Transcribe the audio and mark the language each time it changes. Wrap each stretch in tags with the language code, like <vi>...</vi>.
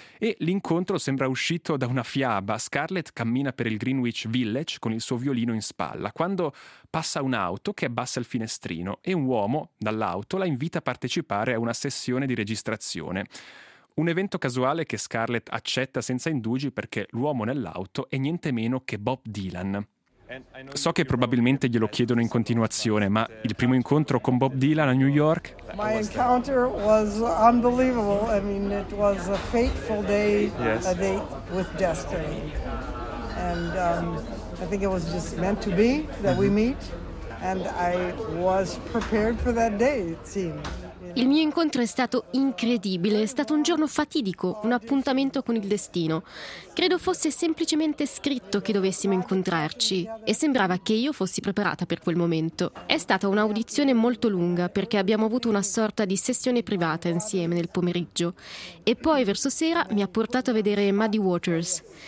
<it>E l'incontro sembra uscito da una fiaba. Scarlett cammina per il Greenwich Village con il suo violino in spalla, quando passa un'auto che abbassa il finestrino e un uomo, dall'auto, la invita a partecipare a una sessione di registrazione. Un evento casuale che Scarlett accetta senza indugi perché l'uomo nell'auto è niente meno che Bob Dylan. So che probabilmente glielo chiedono in continuazione, ma il primo incontro con Bob Dylan a New York?</it> <en>My encounter was unbelievable. I mean, it was a fateful day, yes. A date with destiny. And I think it was just meant to be that we meet, and I was prepared for that day, it seemed.</en> <it>Il mio incontro è stato incredibile, è stato un giorno fatidico, un appuntamento con il destino. Credo fosse semplicemente scritto che dovessimo incontrarci e sembrava che io fossi preparata per quel momento. È stata un'audizione molto lunga perché abbiamo avuto una sorta di sessione privata insieme nel pomeriggio e poi verso sera mi ha portato a vedere Muddy Waters.</it>